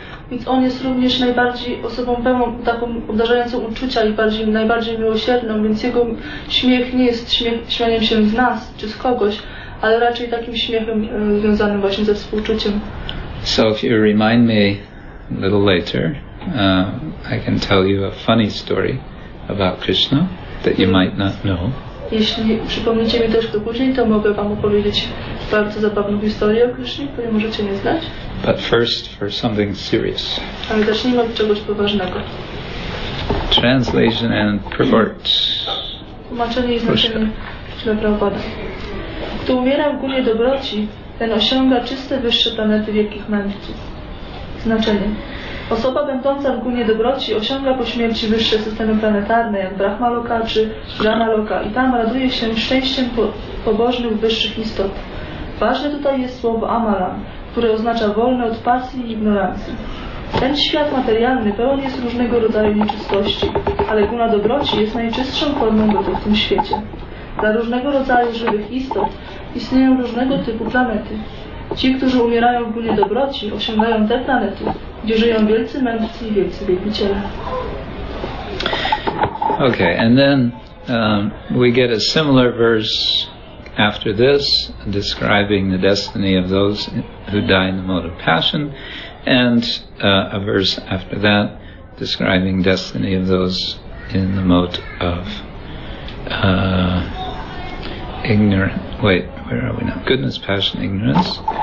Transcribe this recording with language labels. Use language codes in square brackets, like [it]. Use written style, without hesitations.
[pl] Więc on jest również najbardziej osobą pełną, taką obdarzającą uczucia i bardziej, najbardziej miłosierną, więc jego śmiech nie jest śmianiem się z nas czy z kogoś, ale raczej takim śmiechem związanym właśnie ze współczuciem. [en] So if you remind me a little later, I can tell you a funny story about Krishna that you might not know. [pl] Jeśli przypomnicie mi też to później, to mogę wam opowiedzieć bardzo zabawną historię o Krishnie, której możecie nie znać. [en] But first for something serious. [pl] Ale zacznijmy od czegoś poważnego. [en] Translation and purport. [pl] Tłumaczenie i znaczenie Śrila Prabhupada. Kto umiera w górze dobroci, ten osiąga czyste wyższe planety wielkich mędrców. Znaczenie. Osoba będąca w górze dobroci osiąga po śmierci wyższe systemy planetarne, jak Brahma Loka czy Brahma Loka, i tam raduje się szczęściem pobożnych wyższych istot. Ważne tutaj jest słowo Amalam, które oznacza wolne od pasji i ignorancji. Ten świat materialny pełen jest różnego rodzaju nieczystości, ale góra dobroci jest najczystszą formą bytu w tym świecie. Dla różnego rodzaju żywych istot istnieją różnego typu planety. Ci, którzy umierają w gminie dobroci, osiągają te planety, gdzie żyją wielcy mędrcy i wielcy wielbiciele. [en] Okay, and then we get a similar verse after this, describing the destiny of those who die in the mode of passion, and a verse after that, describing destiny of those in the mode of ignorance. Wait, where are we now? Goodness, passion, ignorance.